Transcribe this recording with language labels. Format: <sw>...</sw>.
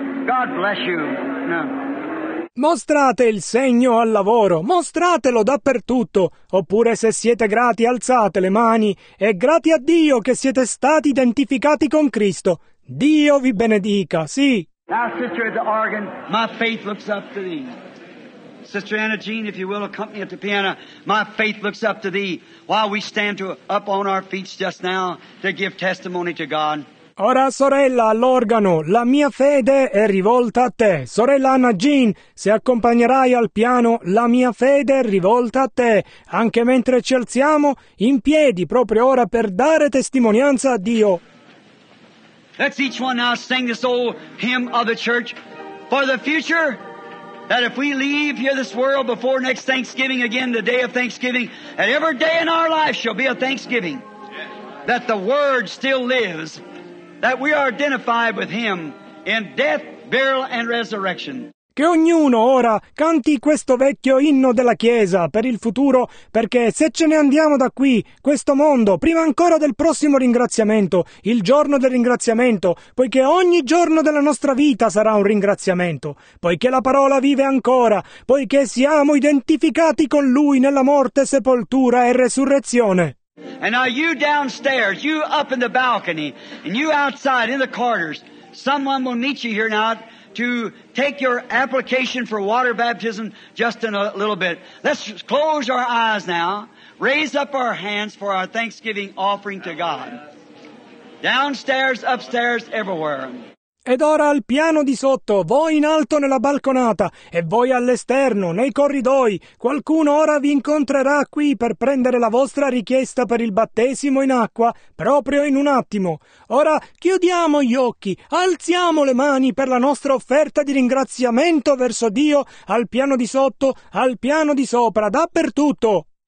<en>God bless you. No.</en> <it>Mostrate il segno al lavoro. Mostratelo dappertutto. Oppure se siete grati, alzate le mani. E grati a Dio che siete stati identificati con Cristo. Dio vi benedica. Sì.</it> <en>Now, sister at the organ, my faith looks up to thee. Sister Anna Jean, if you will, accompany at the piano. My faith looks up to thee while we stand up on our feet just now to give testimony to God.</en> <it>Ora, sorella, all'organo, la mia fede è rivolta a te. Sorella Anna Jean, se accompagnerai al piano, la mia fede è rivolta a te. Anche mentre ci alziamo, in piedi, proprio ora, per dare testimonianza a Dio.</it> <en>Let's each one now sing this old hymn of the church for the future. That if we leave here this world before next Thanksgiving again, the day of Thanksgiving, that every day in our life shall be a Thanksgiving. That the Word still lives. That we are identified with Him in death, burial, and resurrection.</en> <it>Che ognuno ora canti questo vecchio inno della Chiesa per il futuro, perché se ce ne andiamo da qui, questo mondo, prima ancora del prossimo ringraziamento, il giorno del ringraziamento, poiché ogni giorno della nostra vita sarà un ringraziamento, poiché la parola vive ancora, poiché siamo identificati con Lui nella morte, sepoltura e resurrezione.</it> <en>And now you downstairs, you up in the balcony, and you outside in the quarters, someone will meet you here now to take your application for water baptism just in a little bit. Let's close our eyes now. Raise up our hands for our thanksgiving offering to God. Downstairs, upstairs, everywhere.</en> <it>Ed ora al piano di sotto, voi in alto nella balconata, e voi all'esterno, nei corridoi, qualcuno ora vi incontrerà qui per prendere la vostra richiesta per il battesimo in acqua, proprio in un attimo. Ora chiudiamo gli occhi, alziamo le mani per la nostra offerta di ringraziamento verso Dio, al piano di sotto, al piano di sopra, dappertutto.</it>